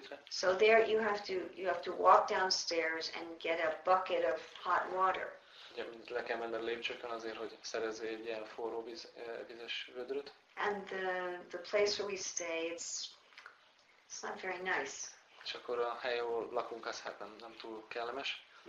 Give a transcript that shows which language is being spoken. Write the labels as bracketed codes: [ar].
[en] So there you have to walk downstairs and get a bucket of hot water. [hu] Ugye le kell menni a lépcsőkön azért, hogy szerezzél egy ilyen forró vizes vödröt. [en] And the place where we stay, it's not very nice. [hu] És akkor a hely, ahol lakunk, az hát nem túl kellemes.